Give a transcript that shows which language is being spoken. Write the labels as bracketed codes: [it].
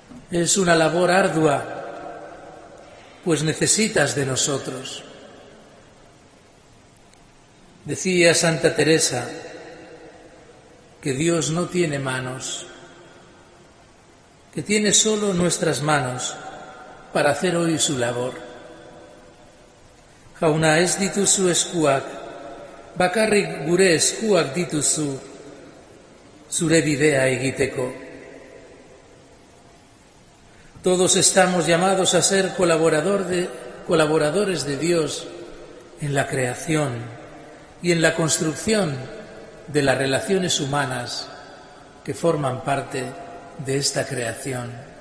[es] Es una labor ardua, pues necesitas de nosotros. Decía Santa Teresa que Dios no tiene manos, que tiene solo nuestras manos para hacer hoy su labor. [eu] Jauna, ez dituzu eskuak, bakarrik gure eskuak dituzu zure bidea egiteko. [es] Todos estamos llamados a ser colaboradores de Dios en la creación y en la construcción de las relaciones humanas que forman parte de esta creación.